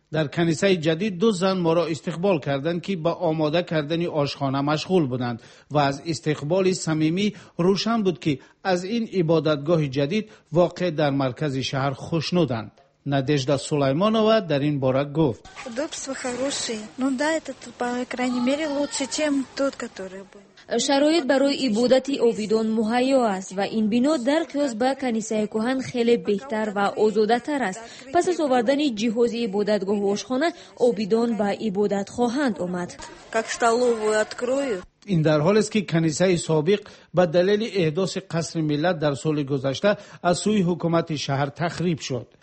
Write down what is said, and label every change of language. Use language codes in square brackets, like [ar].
[fa] در کنیسه جدید دو زن ما را استقبال کردند که با آماده کردن آشخانه مشغول بودند و از استقبال صمیمی روشن بود که از این عبادتگاه جدید واقع در مرکز شهر خوشنودند. Надежда Сулайманова در این باره گفت: [ru] "Удобства хорошие. Ну да, этот по крайней мере лучше, чем тот, который был." [fa] شرایط برای عبادت اویدون مهیا است و این بنا در قیاس با کنیسه کهن خیلی بهتر و آزاده‌تر است. پس از آوردن جهاز عبادتگاه و آشخانه، اویدون به عبادت خواهند آمد. [ru] Как столовую открою. [fa] این در حال است که کنیسه سابق به دلیل احداث قصر ملت در سال گذشته از سوی حکومت شهر تخریب شد.